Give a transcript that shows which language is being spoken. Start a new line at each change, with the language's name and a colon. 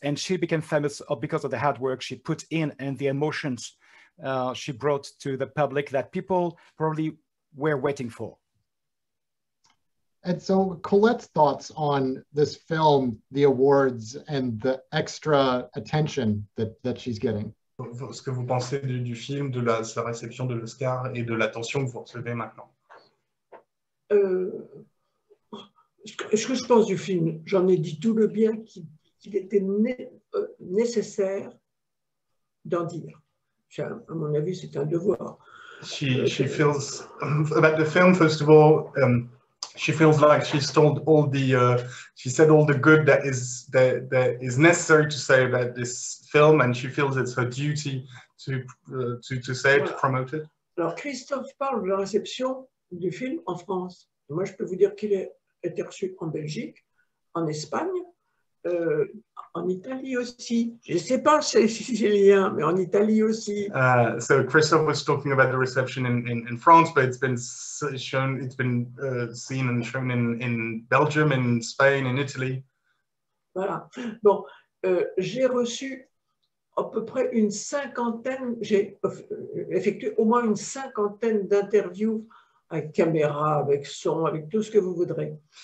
English: And she became famous because of the hard work she put in and the emotions she brought to the public that people probably were waiting for. And so Colette's thoughts on this film, the awards, and the extra attention that she's getting.
French: Ce que vous pensez du film, de la sa réception de l'Oscar et de l'attention que vous recevez maintenant. Ce que je pense du film, j'en ai dit tout le bien qu'il était nécessaire d'en dire. À mon avis, c'est un devoir.
English: She feels about the film, first of all, she feels like she's told all the she said all the good that is necessary to say about this film, and she feels it's her duty to say it, to promote it.
French: Alors Christophe parle de la réception du film en France. Moi, je peux vous dire qu'il a été reçu en Belgique, en Espagne, en Italie aussi. Je ne sais pas si j'ai lien, mais en Italie aussi.
English: So Christophe was talking about the reception in France, but it's been seen and shown in Belgium, in Spain, in Italy.
French: Voilà. Bon, j'ai reçu à peu près une cinquantaine, j'ai effectué au moins une cinquantaine d'interviews avec caméra, avec son, avec tout ce que vous voudrez.